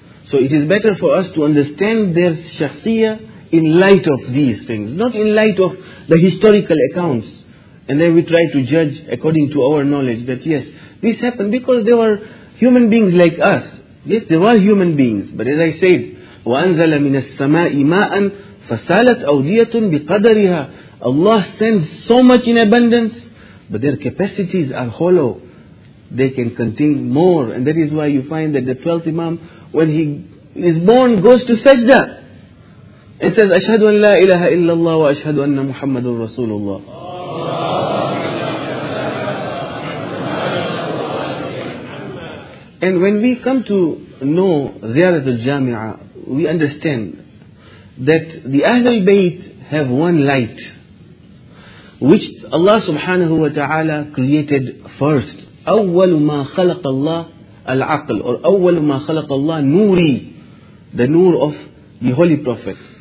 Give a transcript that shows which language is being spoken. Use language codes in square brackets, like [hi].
[en] So it is better for us to understand their shakhsiyah in light of these things, not in light of the historical accounts. And then we try to judge according to our knowledge that yes, this happened because they were human beings like us. Yes, they were human beings. But as I said, وَأَنْزَلَ مِنَ السَّمَاءِ مَاءً فَسَالَتْ أَوْدِيَةٌ بِقَدَرِهَا. Allah sends so much in abundance, but their capacities are hollow. They can contain more. And that is why you find that the 12th Imam, when he is born, goes to sajda. And says, أَشْهَدُ أَنْ لَا إِلَهَ إِلَّا اللَّهُ وَأَشْهَدُ أَنَّ مُحَمَّدٌ رَسُولُ اللَّهِ. And when we come to know Ziyarat al-Jami'ah, we understand that the Ahlul Bayt have one light, which Allah subhanahu wa ta'ala created first. [ar] أَوَّلُ مَا خَلَقَ اللَّهِ الْعَقْلِ, or أَوَّلُ مَا خَلَقَ اللَّهِ نُورِي, the nur of the Holy Prophet.